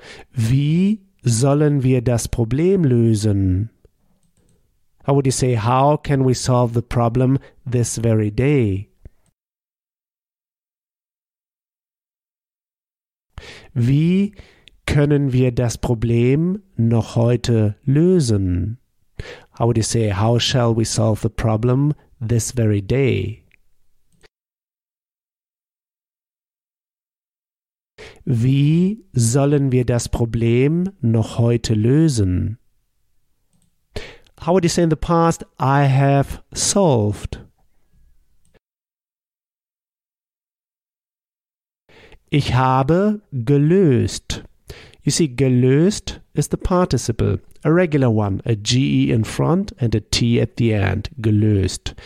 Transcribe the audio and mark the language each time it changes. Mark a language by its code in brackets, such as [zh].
[de] Wie sollen wir das Problem lösen? [en] How would you say, how can we solve the problem this very day? [de] Wie können wir das Problem noch heute lösen? [en] How would you say, how shall we solve the problem this very day? [de] Wie sollen wir das Problem noch heute lösen? [en] How would you say in the past, I have solved? [de] Ich habe gelöst. [en] You see, gelöst is the participle, a regular one, a GE in front and a T at the end, gelöst.